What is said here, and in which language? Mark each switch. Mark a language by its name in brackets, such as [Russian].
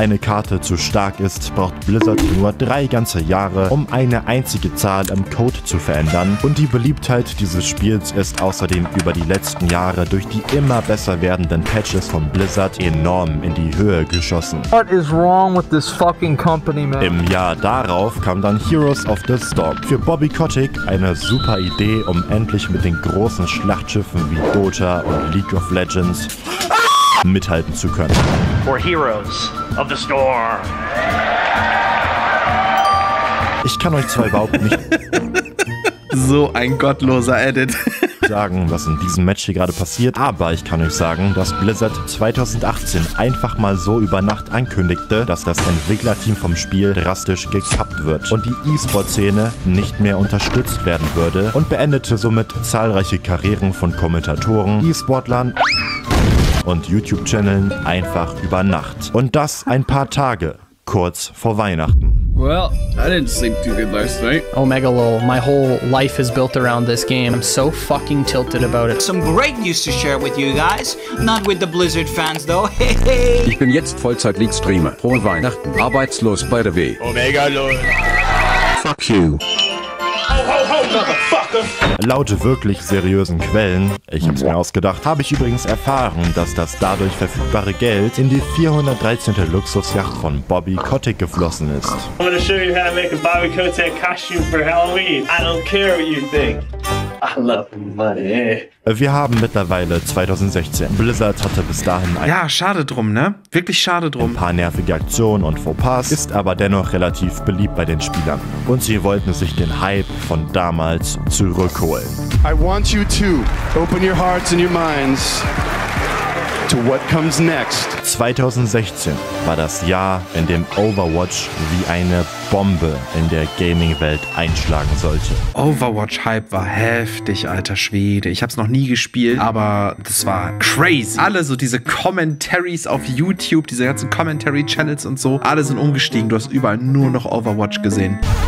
[German] eine Karte zu stark ist, braucht Blizzard nur 3 ganze Jahre, um eine einzige Zahl im Code zu verändern. Und die Beliebtheit dieses Spiels ist außerdem über die letzten Jahre durch die immer besser werdenden Patches von Blizzard enorm in die Höhe geschossen. [English] What is wrong with this fucking company, man? [German] Im Jahr darauf kam dann Heroes of the Storm. Für Bobby Kotick eine super Idee, um endlich mit den großen Schlachtschiffen wie Dota und League of Legends mithalten zu können. [English] For Heroes of the Storm. [German] Ich kann euch zwar überhaupt nicht so ein gottloser Edit sagen, was in diesem Match hier gerade passiert, aber ich kann euch sagen, dass Blizzard 2018 einfach mal so über Nacht ankündigte, dass das Entwicklerteam vom Spiel drastisch gekappt wird und die E-Sport-Szene nicht mehr unterstützt werden würde und beendete somit zahlreiche Karrieren von Kommentatoren, E-Sportlern und YouTube-Channeln einfach über Nacht. Und das ein paar Tage, kurz vor Weihnachten. [English] Well, I didn't sleep too good last night. Omega lol, my whole life is built around this game. I'm so fucking tilted about it. Some great news to share with you guys. Not with the Blizzard fans though. [German] Ich bin jetzt Vollzeit-League-Streamer. Frohe Weihnachten. Arbeitslos, [English] by the way. Omega lol. Fuck you. [German] Laut wirklich seriösen Quellen, ich hab's mir ausgedacht, habe ich übrigens erfahren, dass das dadurch verfügbare Geld in die 413. Luxusjacht von Bobby Kotick geflossen ist. [English] I'm gonna show you how to make a Bobby Kotick costume for Halloween. I don't care what you think. I love money. [German] Wir haben mittlerweile 2016. Blizzard hatte bis dahin ein... Ja, schade drum, ne? Wirklich schade drum. ...ein paar nervige Aktionen und Fauxpas, ist aber dennoch relativ beliebt bei den Spielern. Und sie wollten sich den Hype von damals zurückholen. [English] I want you to open your hearts and your minds to what comes next. [German] 2016 war das Jahr, in dem Overwatch wie eine Bombe in der Gaming-Welt einschlagen sollte. Overwatch-Hype war heftig, alter Schwede. Ich hab's noch nie gespielt, aber das war crazy. Alle so diese Commentaries auf YouTube, diese ganzen Commentary-Channels und so, alle sind umgestiegen. Du hast überall nur noch Overwatch gesehen.